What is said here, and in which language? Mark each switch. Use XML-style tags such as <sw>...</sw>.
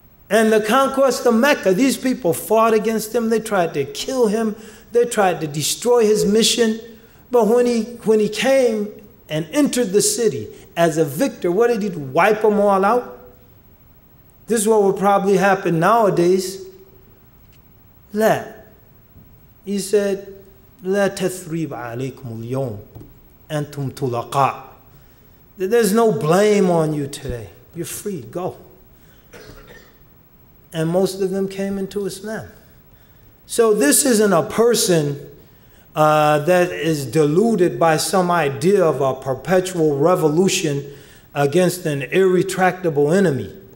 <en>And the conquest of Mecca, these people fought against him. They tried to kill him. They tried to destroy his mission. But when he came and entered the city as a victor, what did he do? Wipe them all out? This is what would probably happen nowadays. He said,</en> <ar>لا تثريب عليكم اليوم أنتم تلقاء.</ar> <en>There's no blame on you today. You're free. Go. And most of them came into Islam. So this isn't a person that is deluded by some idea of a perpetual revolution against an irretractable enemy.</en>